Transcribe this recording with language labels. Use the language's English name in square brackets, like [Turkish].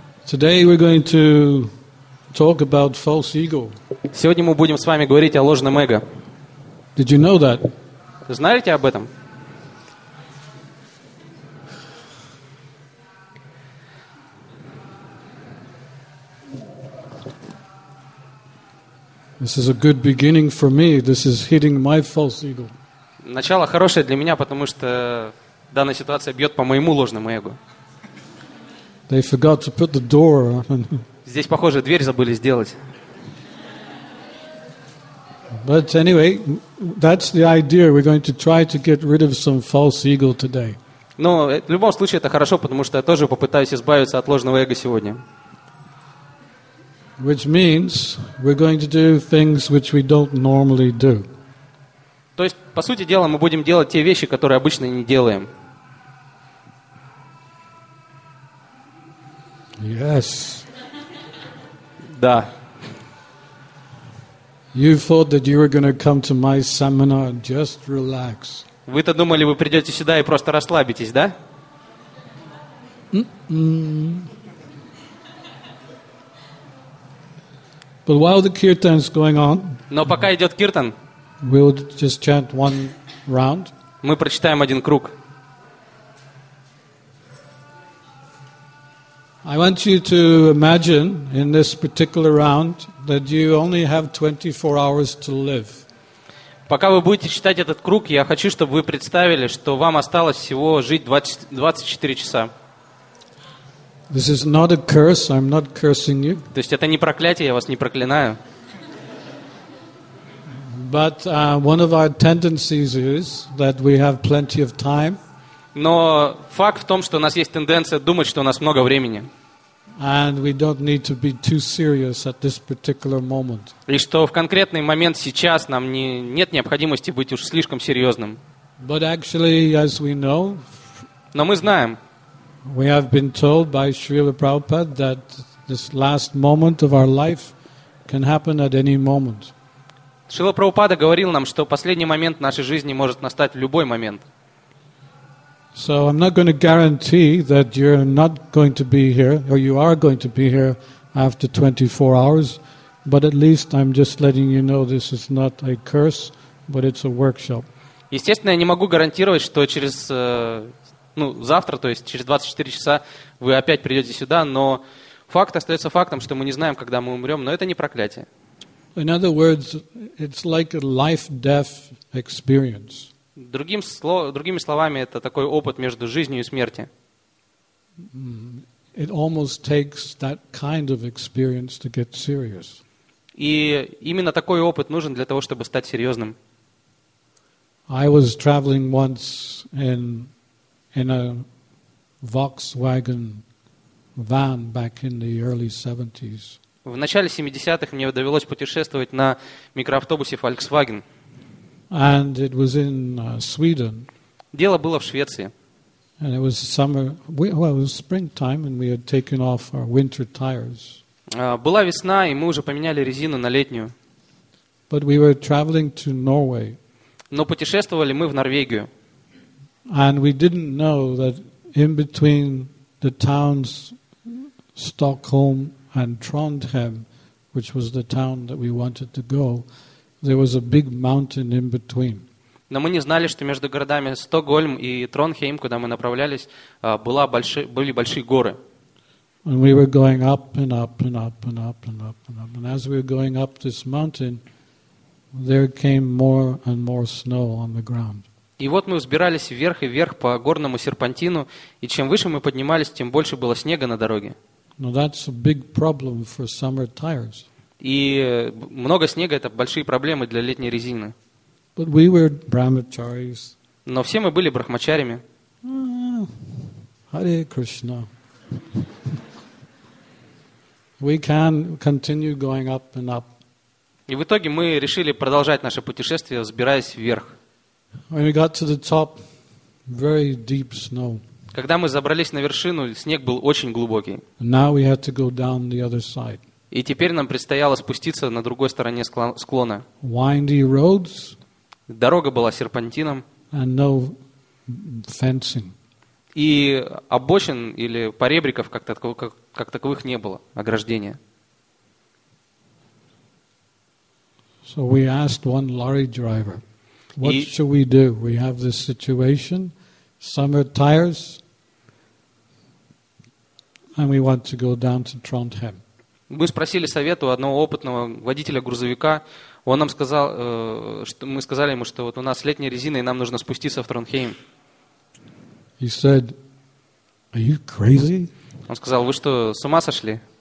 [English] Today we're going to talk about false ego. [Russian] Сегодня мы будем с вами говорить о ложном эго. [English] Did you know that? [Russian] Знаете об этом? [English] This is a good beginning for me. This is hitting my false ego. [Russian] Начало хорошее для меня, потому что данная ситуация бьет по моему ложному эго. [English] They forgot to put the door on. [Russian] Здесь, похоже, дверь забыли сделать. [English] But anyway, that's the idea. We're going to try to get rid of some false ego today. [Russian] Но в любом случае это хорошо, потому что я тоже попытаюсь избавиться от ложного эго сегодня. [English] Which means we're going to do things which we don't normally do. [Russian] То есть, по сути дела, мы будем делать те вещи, которые обычно не делаем. [English] Yes. [Russian] Да. [English] You thought that you were going to come to my seminar and just relax. [Russian] Вы-то думали, вы придете сюда и просто расслабитесь, да? [English] But while the kirtan is going on, [Russian] но пока идет киртан, [English] we'll just chant one round. [Russian] Мы прочитаем один круг. [English] I want you to imagine in this particular round that you only have 24 hours to live. [Russian] Пока вы будете читать этот круг, я хочу, чтобы вы представили, что вам осталось всего жить 24 часа. [English] This is not a curse. I'm not cursing you. [Russian] То есть это не проклятие, я вас не проклинаю. [English] But one of our tendencies is that we have plenty of time. [Russian] Но факт в том, что у нас есть тенденция думать, что у нас много времени. [English] And we don't need to be too serious at this particular moment. [Russian] И что в конкретный момент сейчас нам нет необходимости быть уж слишком серьезным. [English] But actually, as we know, [Russian] но мы знаем, [English] we have been told by Srila Prabhupada that this last moment of our life can happen at any moment. [Russian] Шрила Прабхупада говорил нам, что последний момент нашей жизни может настать в любой момент. [English] So I'm not going to guarantee that you're not going to be here, or you are going to be here after 24 hours, but at least I'm just letting you know this is not a curse, but it's a workshop. [Russian] Естественно, я не могу гарантировать, что через, ну, завтра, то есть через 24 часа вы опять придете сюда, но факт остается фактом, что мы не знаем, когда мы умрем, но это не проклятие. [English] In other words, it's like a life-death experience. [Russian] Другими словами, это такой опыт между жизнью и смертью. [English] It almost takes that kind of experience to get serious. [Russian] И именно такой опыт нужен для того, чтобы стать серьезным. [English] I was traveling once in a Volkswagen van back in the early 70s. [Russian] В начале 70-х мне довелось путешествовать на микроавтобусе Volkswagen. [English] And it was in Sweden. [Russian] Дело было в Швеции. [English] And it was summer. Well, it was springtime, and we had taken off our winter tires. [Russian] Была весна, и мы уже поменяли резину на летнюю. [English] But we were traveling to Norway. [Russian] Но путешествовали мы в Норвегию. [English] And we didn't know that in between the towns Stockholm and Trondheim, which was the town that we wanted to go, there was a big mountain in between. [Russian] Но мы не знали, что между городами Стокгольм и Тронхейм, куда мы направлялись, были большие горы. [English] And we were going up and up and up and up and up and up. And as we were going up this mountain, there came more and more snow on the ground. [Russian] И вот мы взбирались вверх и вверх по горному серпантину, и чем выше мы поднимались, тем больше было снега на дороге. [English] Now that's a big problem for summer tires. [Russian] И много снега – это большие проблемы для летней резины. [English] But we were brahmacharis. [Russian] Но все мы были брахмачарями. [English] Hare Krishna. We can continue going up and up. [Russian] И в итоге мы решили продолжать наше путешествие, взбираясь вверх. [English] When we got to the top, very deep snow. [Russian] Когда мы забрались на вершину, снег был очень глубокий. [English] Now we had to go down the other side. [Russian] И теперь нам предстояло спуститься на другой стороне склона. [English] Windy roads, [Russian] дорога была серпантином. [English] And no fencing. [Russian] И обочин или поребриков как таковых не было, ограждения. [English] So we asked one lorry driver, what should we do? We have this situation, summer tires, and we want to go down to Trondheim. [Russian] Мы спросили совета у одного опытного водителя грузовика. Он нам сказал, что мы сказали ему, что вот у нас летняя резина, и нам нужно спуститься в Тронхейм. [English] He said, "Are you crazy?" [Russian] Он сказал, вы что, с ума сошли?